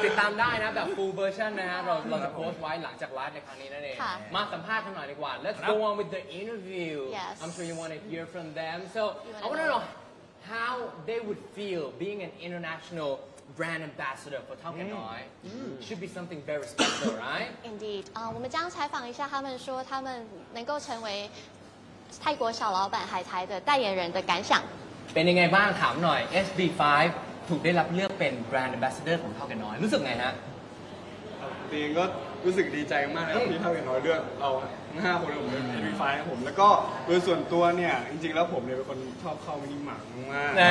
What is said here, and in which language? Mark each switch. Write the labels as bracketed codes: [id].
[th] ติดตามได้นะแบบ full version นะฮะเราจะโพสต์ไว้หลังจากไลฟ์ในครั้งนี้นั่นเองมาสัมภาษณ์กันหน่อยดีกว่า [en] Let's go on with the interview yes. I'm sure you want to hear from them so I want to know how they would feel being an international brand ambassador for Tao Kai Noi should be something very special right indeed [zh] 我们将采访一下他们说他们能够成为泰国小老板海苔的代言人的感想 [th] เป็นยังไงบ้างถามหน่อย SB5 ถูกได้รับเลือกเป็น Brand Ambassador ของเท่ากันน้อยรู้สึกไงฮะ ตัวเองก็รู้สึกดีใจมากนะที่ทำกันน้อยเรื่องเอา5คนผมเป็นพรีไฟล์ให้ผมแล้วก็โดยส่วนตัวเนี่ยจริงๆแล้วผมเนี่ยเป็นคนชอบเข้ามินิมาร์ทมาก